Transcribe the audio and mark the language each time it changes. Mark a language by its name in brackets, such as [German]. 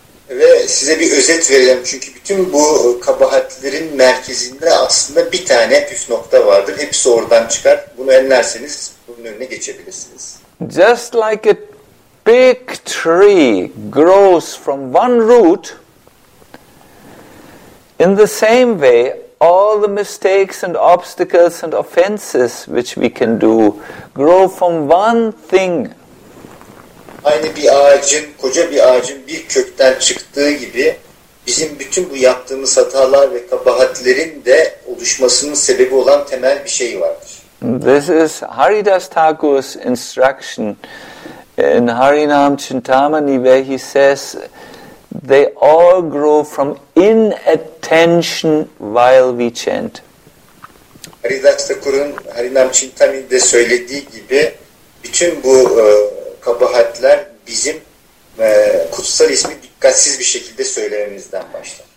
[Turkish] Ve size bir özet vereceğim. Çünkü bütün bu kabahatlerin merkezinde aslında bir tane püf nokta vardır. Hepsi oradan çıkar. Bunu önlerseniz bunun önüne geçebilirsiniz. [English] Just like a big tree grows from one root, in the same way, all the mistakes and obstacles and offenses which we can do grow from one thing. [Turkish] Aynı bir ağacın, koca bir ağacın bir kökten çıktığı gibi bizim bütün bu yaptığımız hatalar ve kabahatlerin de oluşmasının sebebi olan temel bir şey vardır. [English] This is Haridas Thakur's instruction in Harinam Chintamani where he says they all grow from inattention while we chant. [Turkish] Haridas Thakur'un Harinam Chintamani'de söylediği gibi bütün bu kabahatler bizim kutsal ismi dikkatsiz bir şekilde söylememizden başlar.